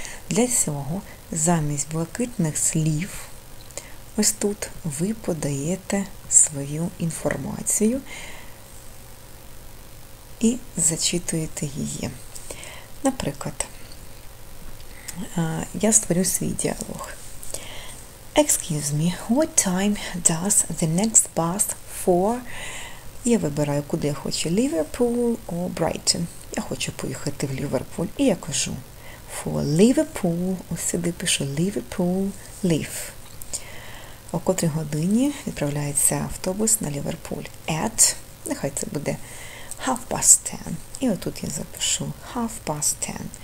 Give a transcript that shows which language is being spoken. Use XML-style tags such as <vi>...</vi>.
<uk>Для цього замість блакитних слів ось тут ви подаєте свою інформацію і зачитуєте її. Наприклад, я створю свій діалог.</uk> <en>Excuse me, what time does the next bus for?</en> <uk>Я вибираю, куди я хочу, Liverpool or Brighton. Я хочу поїхати в Ліверпуль. І я кажу, for Liverpool, ось сюди пишу Liverpool, leave. О котрій годині відправляється автобус на Ліверпуль? At, нехай це буде 10:30. І отут я запишу 10:30.</uk>